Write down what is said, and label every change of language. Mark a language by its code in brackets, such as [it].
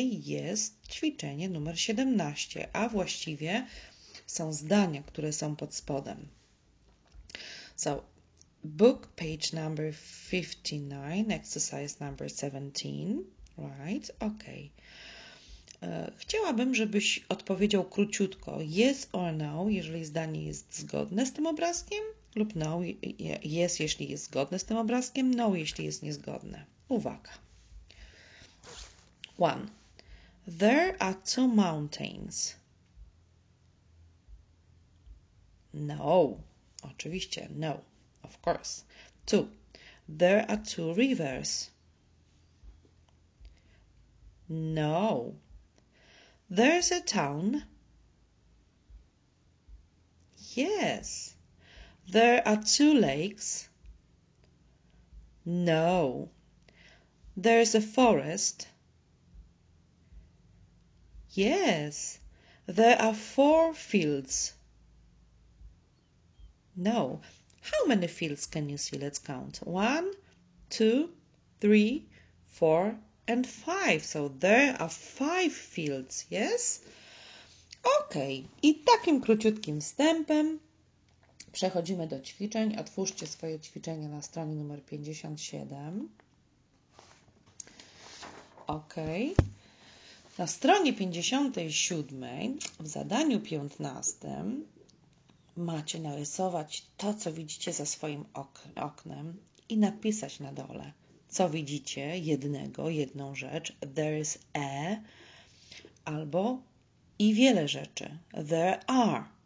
[pl] Jest ćwiczenie numer 17, a właściwie są zdania, które są pod spodem. [en] So, book page number 59, exercise number 17, right? Ok. [pl] Chciałabym, żebyś odpowiedział króciutko [en] yes or no, [pl] jeżeli zdanie jest zgodne z tym obrazkiem, lub [en] no, yes, [pl] jeśli jest zgodne z tym obrazkiem, no, jeśli jest niezgodne. Uwaga. [en] One. There are two mountains. No, [pl] oczywiście, [en] no, of course. Two, there are two rivers. No, there's a town. Yes, there are two lakes. No, there's a forest. Yes, there are four fields. No. How many fields can you see? Let's count. One, two, three, four, and five. So there are five fields, yes? Ok. [pl] I takim króciutkim wstępem przechodzimy do ćwiczeń. Otwórzcie swoje ćwiczenie na stronie numer 57. Ok. Na stronie 57 w zadaniu 15 macie narysować to, co widzicie za swoim oknem i napisać na dole, co widzicie, jedną rzecz, [en] there is a, [pl] albo i wiele rzeczy, [en] there are.